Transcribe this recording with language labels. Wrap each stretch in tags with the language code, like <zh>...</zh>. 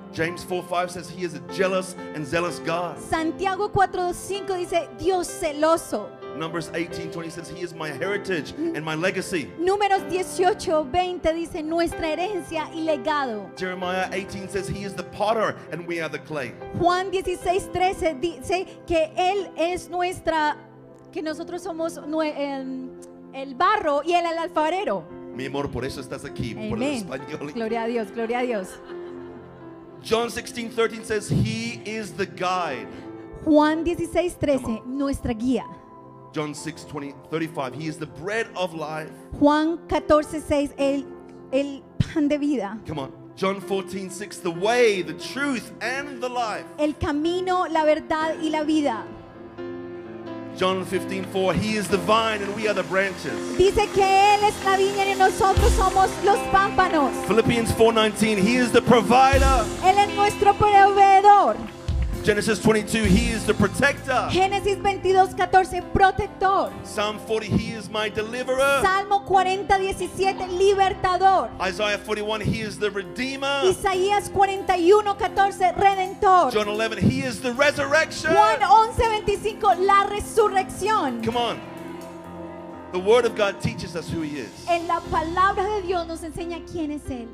<en>James 4:5 says he is a jealous and zealous God.</en> <es>Santiago 4:5 dice Dios celoso.</es> <en>Numbers 18:20 says he is my heritage and my legacy.</en> <es>Números 18:20 dice nuestra herencia y legado.</es> <en>Jeremiah 18 says he is the potter and we are the clay.</en> <es>Juan 16:13 dice que él es nuestra, que nosotros somos el barro y él el alfarero. Mi amor, por eso estás aquí.</es> <en>Amen.</en> <es>Por el español. Gloria a Dios, gloria a Dios.</es> <en>John 16:13 says he is the guide.</en> <es>Juan 16:13, nuestra guía.</es> <en>John 6:35, he is the bread of life.</en> <es>Juan 14:6, el pan de vida.</es> <en>Come on. John 14:6, the way, the truth and the life.</en> <es>El camino, la verdad y la vida.</es> <en>John 15:4, he is the vine and we are the branches.</en> <es>Dice que él es la viña y nosotros somos los pámpanos.</es> <en>Philippians 4:19, he is the provider.</en> <es>Él es nuestro proveedor.</es> <en>Genesis 22, he is the protector.</en> <es>Génesis 22:14, protector.</es> <en>Psalm 40, he is my deliverer.</en> <es>Salmo 40:17, libertador.</es> <en>Isaiah 41, he is the redeemer.</en> <es>Isaías 41:14, redentor.</es> <en>John 11, he is the resurrection.</en> <es>Juan 11:25, la resurrección.</es> <en>Come on. The word of God teaches us who he is.</en> <es>En la palabra de Dios nos enseña quién es él.</es>